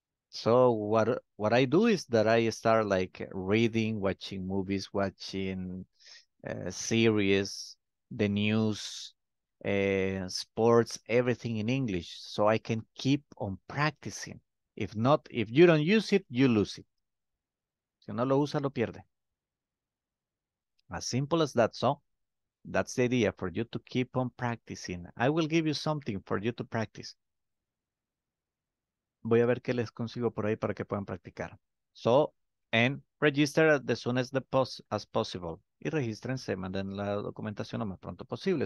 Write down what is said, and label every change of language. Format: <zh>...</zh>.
<en>So what I do is that I start like reading, watching movies, watching series, the news, sports, everything in English, so I can keep on practicing. If not, if you don't use it, you lose it.</en> <es>Si no lo usa, lo pierde.</es> <en>As simple as that. So that's the idea, for you to keep on practicing. I will give you something for you to practice.</en> <es>Voy a ver qué les consigo por ahí para que puedan practicar.</es> <en>So, and register as soon as as possible.</en> <es>Y regístrense, manden la documentación lo más pronto posible.</es>